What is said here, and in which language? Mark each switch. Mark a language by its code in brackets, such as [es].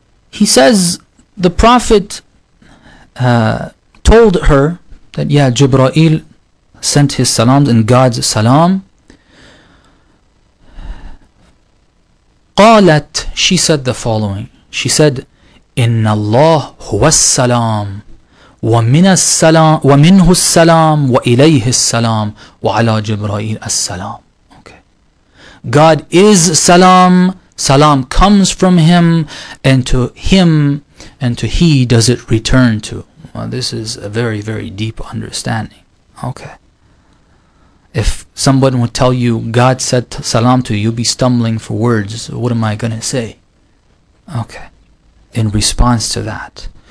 [en] He says, the Prophet told her that, yeah, Jibreel sent his salams and God's salam. [ar] قالت, [en] she said the following. She said, [ar] إِنَّ اللَّهُ هُوَ السَّلَامُ وَمِنَ السَّلَامُ وَمِنْهُ السَّلَامُ وَإِلَيْهِ السَّلَامُ وَعَلَى جِبْرَئِيلَ السَّلَامُ. [en] Okay. God is salam. Salam comes from him, and to him and to he does it return to. Well, this is a very, very deep understanding. Okay. If someone would tell you God said salam to you, you'd be stumbling for words. What am I going to say? Okay. In response to that.